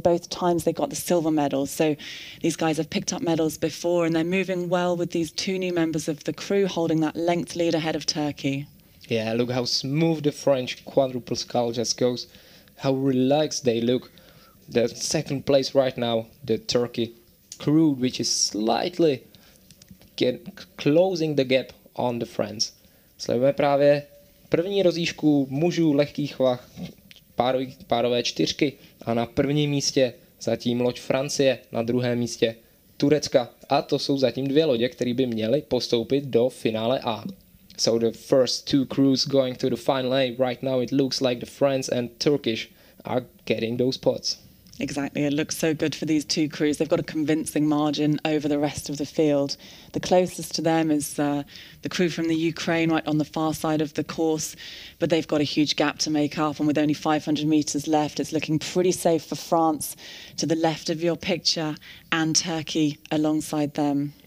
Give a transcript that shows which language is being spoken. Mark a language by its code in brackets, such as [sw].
[en] Both times they got the silver medals. So these guys have picked up medals before and they're moving well with these two new members of the crew holding that length lead ahead of Turkey. Yeah, look how smooth the French quadruple scull just goes. How relaxed they look. The second place right now, the Turkey crew, which is slightly closing the gap on the France. [cs] Sledujeme právě první rozíšku mužů lehkých vah, párové čtyřky, a na prvním místě zatím loď Francie, na druhém místě Turecka. A to jsou zatím dvě lodě, které by měly postoupit do finále A. [en] So the first two crews going to the final A. Right now it looks like the France and Turkish are getting those spots. Exactly, it looks so good for these two crews. They've got a convincing margin over the rest of the field. The closest to them is the crew from the Ukraine right on the far side of the course, but they've got a huge gap to make up, and with only 500 meters left, it's looking pretty safe for France to the left of your picture and Turkey alongside them.